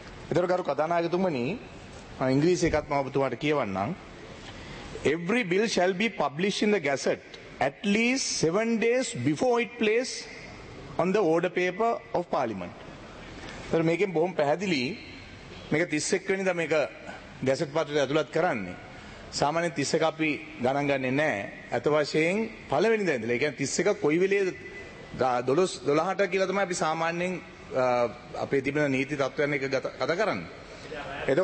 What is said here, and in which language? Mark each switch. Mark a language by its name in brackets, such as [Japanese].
[Sinhala] එතකොට ගරු කථානායකතුමනි මම ඉංග්‍රීසි එකත් මම ඔබතුමාට කියවන්නම්. [English] Every bill shall be published in the gazette at least 7 days before it placed on the order paper of parliament. [Sinhala] එතකොට මේකෙන් බොහොම පැහැදිලි මේක 31 වෙනිදා මේක ගැසට් පත්‍රයට අතුලත් කරන්නේ. සාමාන්‍ය 31 අපි ගණන් ගන්නේ නැහැ. අත වශයෙන් පළවෙනිදා ඉඳලා. ඒ කියන්නේ 31 කොයි වෙලේද 12ට කියලා තමයි අපි සාමාන්‍යයෙන් අපේ තිබෙන නීති තත්ත්වයන් එක කතා කරන්නේ.